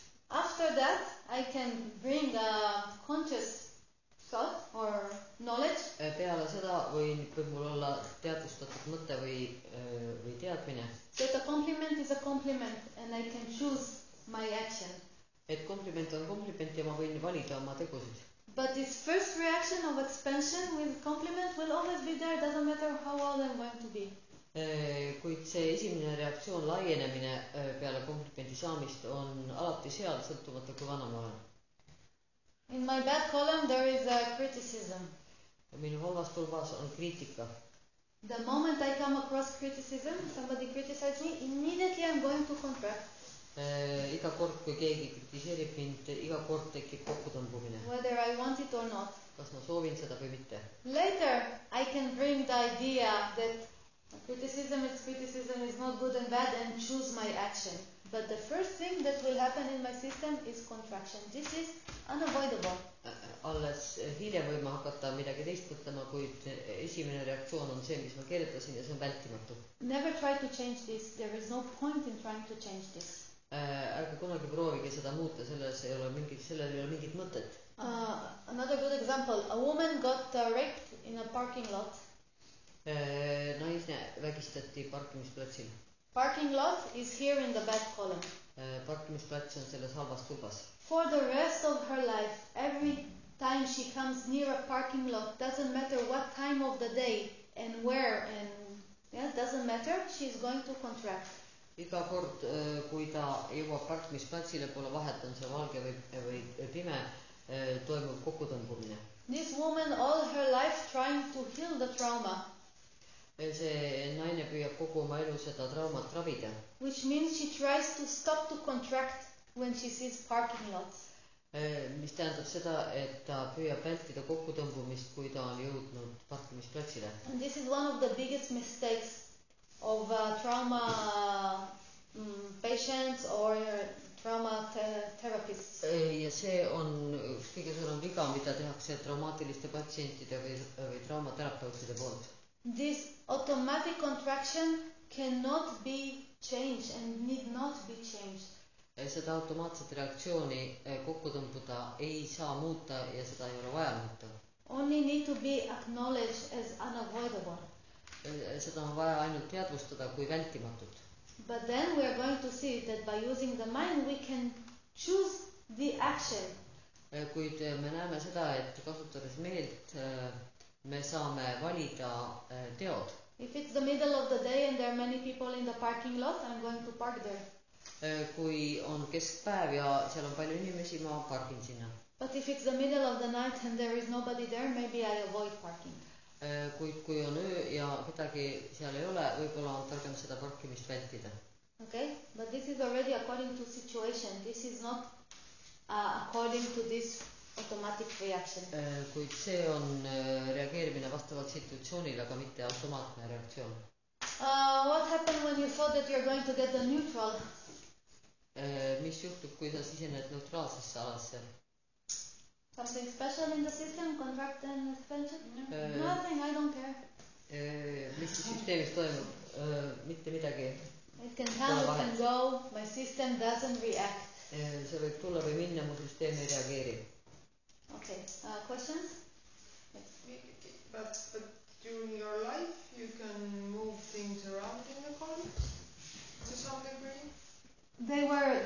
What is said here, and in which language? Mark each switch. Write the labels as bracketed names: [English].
[English] After that, I can bring a conscious thought or knowledge. [Estonian] Peale seda võin, võib mul olla teadvustatud mõte või, või teadmine. [English] That a compliment is a compliment and I can choose my action. [Estonian] Et kompliment on kompliment ja ma võin valida oma tegusid. [English] But this first reaction of expansion with compliment will always be there, doesn't matter how old I'm going to be. [Estonian] Kuid see esimene reaktsioon laienemine peale komplimenti saamist on alati seal sõltumata kui vanama olen. [English] In my back column there is a criticism. [Estonian] Minu halvastulvas on kriitika. [English] The moment I come across criticism, somebody criticizes me, immediately I'm going to contract. [Estonian] Iga kord kui keegi kritiseerib mind, iga kord tekib kokkutõmbumine. [English] Whether I want it or not. [Estonian] Kas ma soovin seda või mitte. [English] Later I can bring the idea that criticism is not good and bad and choose my action. But the first thing that will happen in my system is contraction. This is unavoidable. [Estonian] Alles hiljem võime hakata midagi teist mõtlema, kuid esimene reaktsioon on see, mis ma kirjutasin ja see on vältimatu. [English] Never try to change this. There is no point in trying to change this. [Estonian] Ärge kunagi proovige seda muuta, sellel ei ole mingit mõtet. [English] Another good example. A woman got raped in a parking lot. [Estonian] Naisne vägistati parkimisplatsil. [English] Parking lot is here in the back column. [Estonian] Parkimisplats on selles halvas tubas. [English] For the rest of her life, every time she comes near a parking lot, doesn't matter what time of the day and where, and yeah, doesn't matter, she is going to contract. [Estonian] Iga kord, kui ta jõuab parkimisplatsile, pole vahet, on see valge või pime, toimub kokkutõmbumine. [English] This woman all her life trying to heal the trauma. [Estonian] See naine püüab kogu oma elu seda traumat ravida. [English] Which means she tries to stop to contract when she sees parking lots. [Estonian] Mis tähendab seda, et ta püüab vältida kokkutõmbumist, kui ta on jõudnud parkimisplatsile. [English] And this is one of the biggest mistakes of trauma patients or trauma therapists. [Estonian] Ja see on kõige suurem viga, mida tehakse traumaatiliste patsientide või traumaterapeutide poolt. [English] This automatic contraction cannot be changed and need not be changed. [Estonian] Seda automaatset reaktsiooni kokkutõmbuda ei saa muuta ja seda ei ole vaja muuta. [English] Only need to be acknowledged as unavoidable. [Estonian] Seda on vaja ainult teadvustada kui vältimatud. [English] But then we are going to see that by using the mind we can choose the action. [Estonian] Kuid me näeme seda, et kasutades meelt me saame valida teod. [English] If it's the middle of the day and there are many people in the parking lot, I'm going to park there. [Estonian] Kui on keskpäev ja seal on palju inimesi, ma parkin sinna. [English] But if it's the middle of the night and there is nobody there, maybe I avoid parking. [Estonian] Kui on öö ja kedagi seal ei ole, võib-olla on targem seda parkimist vältida. [English] Okay, but this is already according to situation. This is not according to this automatic reaction. [Estonian] Kuid see on reageerimine vastavalt situatsioonile, aga mitte automaatne reaktsioon. [English] What happened when you thought that you're going to get the neutral? [Estonian] Mis juhtub, kui sa sisened neutraalsesse alasse? [English] Something special in the system, contract and expansion? Nothing, I don't care. [Estonian] Mis süsteemis toimub? Mitte midagi. [English] It can come, it can go, my system doesn't react. [Estonian] See võib tulla või minna, mu süsteem ei reageeri. [English] Okay, questions? But during your life you can move things around in the columns to some degree?